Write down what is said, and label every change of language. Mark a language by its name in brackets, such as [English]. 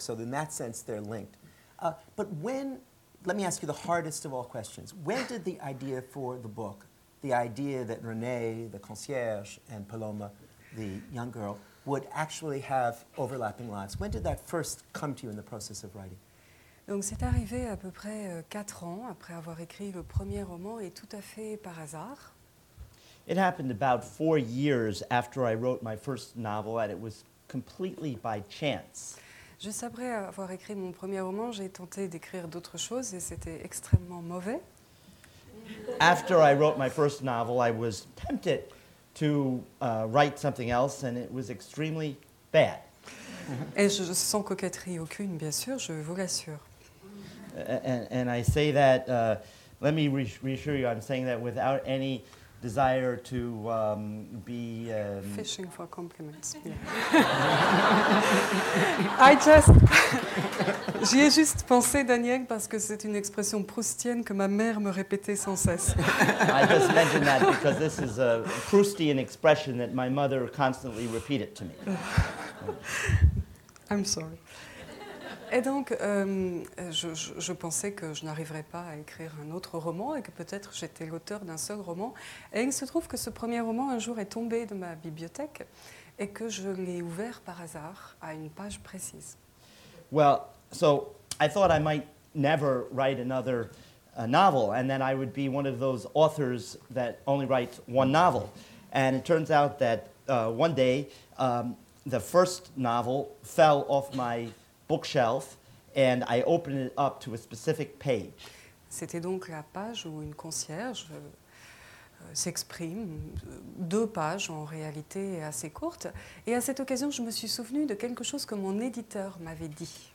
[English] So in that sense, they're linked. Let me ask you the hardest of all questions. When did the idea for the book, the idea that Renee, the concierge, and Paloma, the young girl, would actually have overlapping lives, when did that first come to you in the process of writing? [French] Donc c'est arrivé à peu près 4 ans après avoir écrit le premier roman et tout à fait par hasard. [English] It happened about 4 years after I wrote my first novel and it was completely by chance. [French] Juste après avoir écrit mon premier roman, j'ai tenté d'écrire d'autres choses et c'était extrêmement mauvais. [English] After I wrote my first novel, I was tempted to write something else and it was extremely bad. [French] Et je sans coquetterie aucune, bien sûr, je vous l'assure. [English] And I say that, let me reassure you, I'm saying that without any desire to be... fishing for compliments. Yeah. I just... [French] J'y ai juste pensé, Daniel, parce que c'est une expression proustienne que ma mère me répétait sans cesse. [English] I just mentioned that because this is a Proustian expression that my mother constantly repeated to me. I'm sorry. [French] Et donc, je pensais que je n'arriverais pas à écrire un autre roman et que peut-être j'étais l'auteur d'un seul roman. Et il se trouve que ce premier roman, un jour, est tombé de ma bibliothèque et que je l'ai ouvert par hasard à une page précise. [English] Well, so I thought I might never write another novel and that I would be one of those authors that only writes one novel. And it turns out that one day, the first novel fell off my bookshelf, and I opened it up to a specific page. [French] C'était donc la page où une concierge s'exprime, deux pages en réalité assez courtes. Et à cette occasion, je me suis souvenu de quelque chose que mon éditeur m'avait dit.